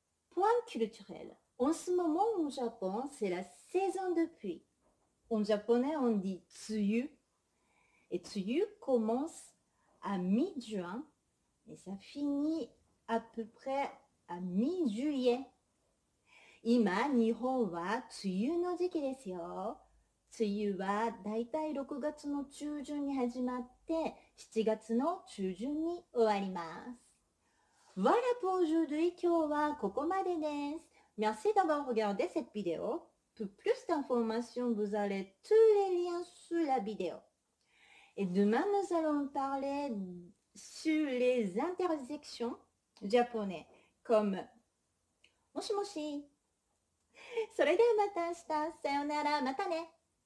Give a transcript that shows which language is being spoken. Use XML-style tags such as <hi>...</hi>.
<fr>Point culturel. En ce moment, au Japon, c'est la saison de pluie. En japonais, on dit tsuyu. Et tsuyu commence à mi-juin et ça finit à peu près à mi-juillet.</fr> <ja>Ima, Nihon wa tsuyu no jiki desu yo. Tsuyu wa daitai 6月の中旬に始まって7月の中旬に終わります。</ja> <fr>Voilà pour aujourd'hui,</fr> <ja>今日はここまでです。</ja> <fr>Merci d'avoir regardé cette vidéo. Pour plus d'informations, vous aurez tous les liens sous la vidéo. Et demain, nous allons parler sur les interjections japonais, comme もしもし。</fr> <ja>それではまた明日。さよなら、またね。</ja>